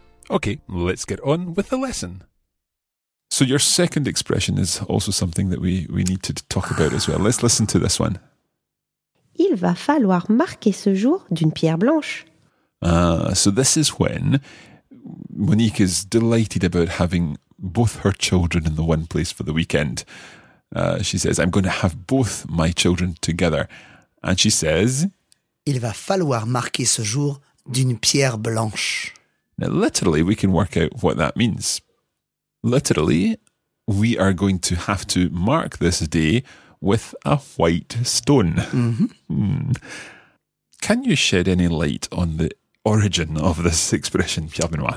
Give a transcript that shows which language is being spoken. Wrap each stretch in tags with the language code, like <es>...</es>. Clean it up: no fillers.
<en>Okay, let's get on with the lesson. So your second expression is also something that we need to talk about as well. Let's listen to this one.</en> <fr>Il va falloir marquer ce jour d'une pierre blanche.</fr> <en>So this is when Monique is delighted about having both her children in the one place for the weekend. She says, I'm going to have both my children together. And she says,</en> <fr>Il va falloir marquer ce jour d'une pierre blanche.</fr> <en>Now, literally, we can work out what that means. Literally, we are going to have to mark this day with a white stone. Mm-hmm. Can you shed any light on the origin of this expression, pierre benoît?</en>